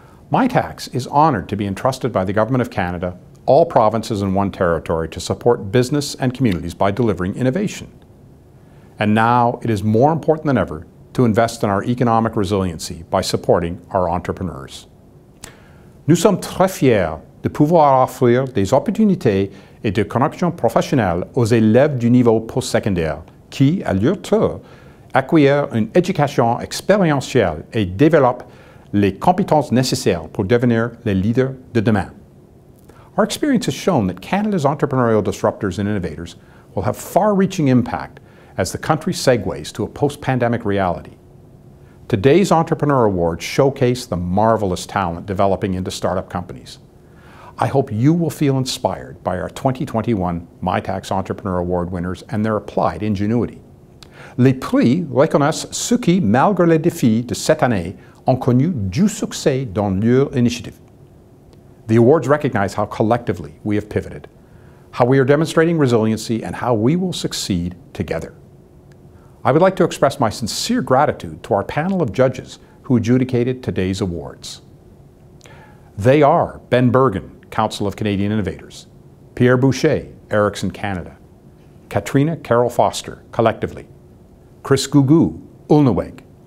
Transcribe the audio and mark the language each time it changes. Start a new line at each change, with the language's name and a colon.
English: Mitacs is honored to be entrusted by the Government of Canada, all provinces and one territory, to support business and communities by delivering innovation. And now it is more important than ever to invest in our economic resiliency by supporting our entrepreneurs.
French: Nous sommes très fiers de pouvoir offrir des opportunités et des connexions professionnelles aux élèves du niveau postsecondaire qui, à leur tour, acquièrent une éducation expérientielle et développent les compétences nécessaires pour devenir les leaders de demain.
English: Our experience has shown that Canada's entrepreneurial disruptors and innovators will have far-reaching impact as the country segues to a post-pandemic reality. Today's Entrepreneur Awards showcase the marvelous talent developing into startup companies. I hope you will feel inspired by our 2021 Mitacs Entrepreneur Award winners and their applied ingenuity.
French: Les Prix reconnaissent ceux qui, malgré les défis de cette année, ont connu du succès dans leur initiative.
English: The awards recognize how collectively we have pivoted, how we are demonstrating resiliency, and how we will succeed together. I would like to express my sincere gratitude to our panel of judges who adjudicated today's awards. They are Ben Bergen, Council of Canadian Innovators, Pierre Boucher, Ericsson Canada, Katrina Carol Foster, collectively, Chris Gugu, Ulnaweg,